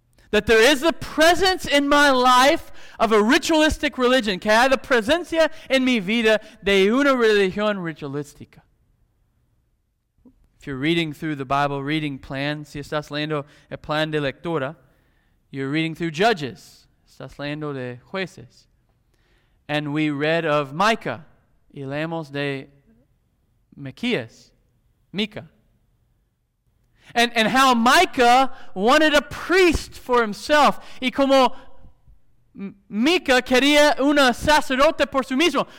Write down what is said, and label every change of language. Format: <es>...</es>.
<en>That there is the presence in my life of a ritualistic religion.</en> <es>Que hay la presencia en mi vida de una religión ritualística.</es> <en>If you're reading through the Bible reading plan,</en> <es>si estás leyendo el plan de lectura,</es> <en>you're reading through Judges.</en> <es>Estás leyendo de Jueces.</es> <en>And we read of Micah.</en> <es>Y leemos de Micah.</es> <en>And how Micah wanted a priest for himself.</en> <es>Y como Micah quería una sacerdote por su mismo.</es>